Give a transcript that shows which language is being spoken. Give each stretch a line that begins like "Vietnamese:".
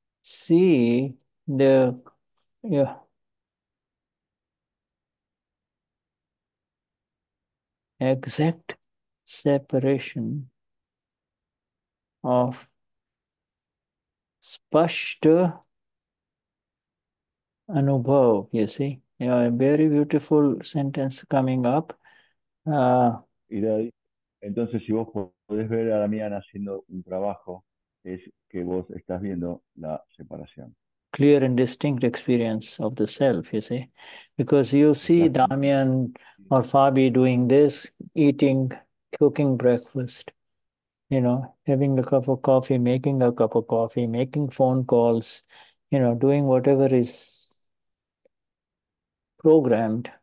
English: See the exact separation of spashta anubhav, you see. You know, a very beautiful sentence coming up.
Spanish: Entonces, si vos podés ver a Damián haciendo un trabajo, es que vos estás viendo la separación.
English: clear and distinct experience of the self, you see. Because you see Damian or Fabi doing this, eating, cooking breakfast, you know, having a cup of coffee, making a cup of coffee, making phone calls, you know, doing whatever is programmed.